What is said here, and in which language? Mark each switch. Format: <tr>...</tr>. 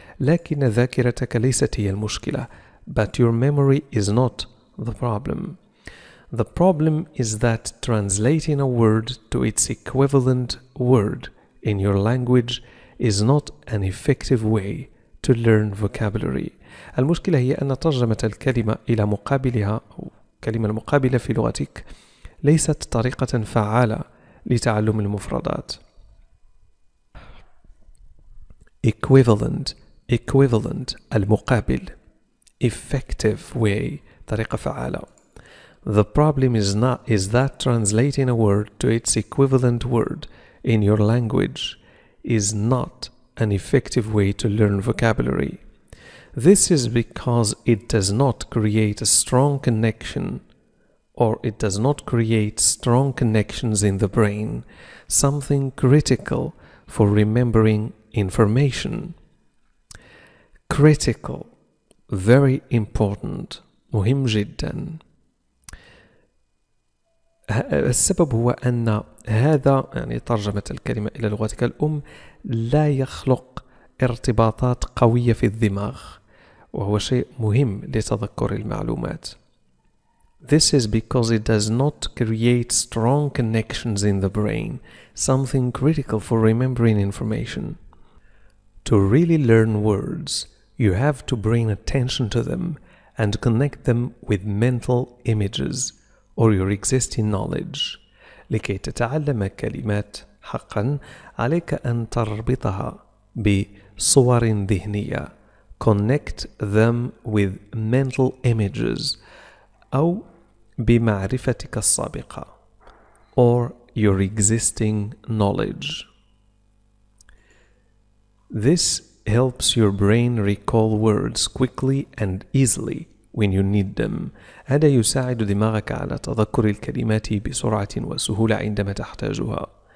<ar>لكن ذاكرتك ليست هي المشكلة.</ar> <en>But your memory is not the problem. The problem is that translating a word to its equivalent word in your language is not an effective way to learn vocabulary.</en> <ar>المشكلة هي أن ترجمة الكلمة إلى مقابلها أو كلمة المقابلة في لغتك ليست طريقة فعالة لتعلم المفردات.</ar> <en>Equivalent</en> <ar>المقابل.</ar> <en>Effective way</en> <ar>طريقة فعالة.</ar> <en>The problem is that translating a word to its equivalent word in your language is not an effective way to learn vocabulary. This is because it does not create a strong connection or it does not create strong connections in the brain, something critical for remembering information. Critical, very important,</en> <ar>مهم جدا. السبب هو أن هذا يعني ترجمة الكلمة إلى لغتك الأم لا يخلق ارتباطات قوية في الدماغ وهو شيء مهم لتذكر المعلومات.</ar> <en>This is because it does not create strong connections in the brain, something critical for remembering information. To really learn words, you have to bring attention to them and connect them with mental images or your existing knowledge.</en> <ar>لكي تتعلم كلمات حقا عليك أن تربطها بصور ذهنية.</ar> <en>Connect them with mental images</en> <ar>أو بمعرفتك السابقة</ar> <en>or your existing knowledge. This helps your brain recall words quickly and easily when you need them.</en> <ar>هذا يساعد دماغك على تذكر الكلمات بسرعة وسهولة عندما تحتاجها.</ar>